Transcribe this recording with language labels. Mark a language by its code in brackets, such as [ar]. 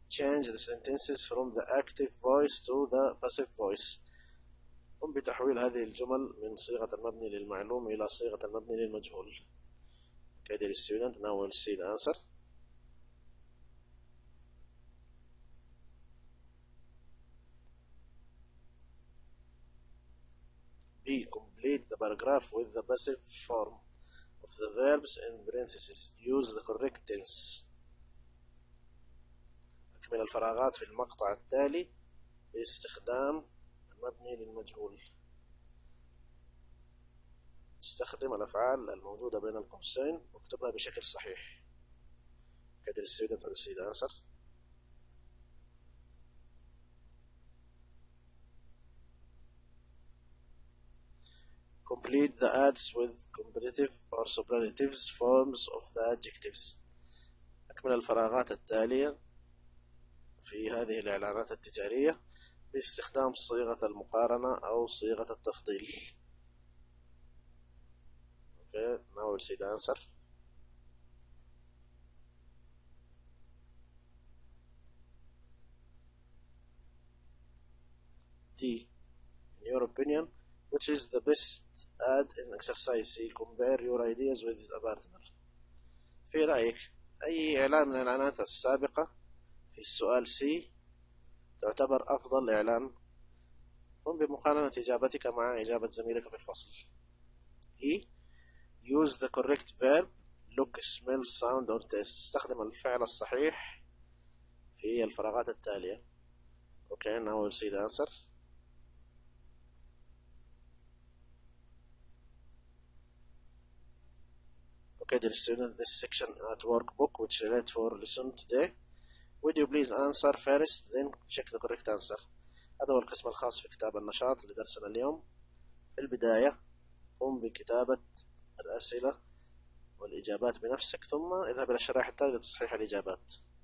[en] Change the sentences from the active voice to the passive voice [ar] قم بتحويل هذه الجمل من صيغة المبني للمعلوم إلى صيغة المبني للمجهول [en] Okay, dear student, now we will see the answer B. Complete the paragraph with the passive form of the verbs in parentheses. Use the correct tense. [ar] أكمل الفراغات في المقطع التالي باستخدام المبني للمجهول. استخدم الأفعال الموجودة بين القوسين واكتبها بشكل صحيح. [en] Can the student receive the answer? Complete the ads with comparative or superlative forms of the adjectives. [ar] أكمل الفراغات التالية في هذه الإعلانات التجارية باستخدام صيغة المقارنة أو صيغة التفضيل. [en] Okay, now we'll see the answer. D. In your opinion, which is the best ad in exercise C? Compare your ideas with the partner. [ar] في رأيك أي إعلان من الإعلانات السابقة في السؤال C تعتبر أفضل إعلان؟ قم بمقارنة إجابتك مع إجابة زميلك في الفصل. [en] E. Use the correct verb, look, smell, sound, or taste. [ar] استخدم الفعل الصحيح في الفراغات التالية. [en] Okay, now we'll see the answer. Okay, dear student, this section at workbook, which I read for lesson today. Would you please answer first, then check the correct answer. [ar] هذا هو القسم الخاص في كتاب النشاط لدرسنا اليوم. في البداية قم بكتابة الأسئلة والإجابات بنفسك، ثم اذهب إلى الشرائح التالية لتصحيح الإجابات.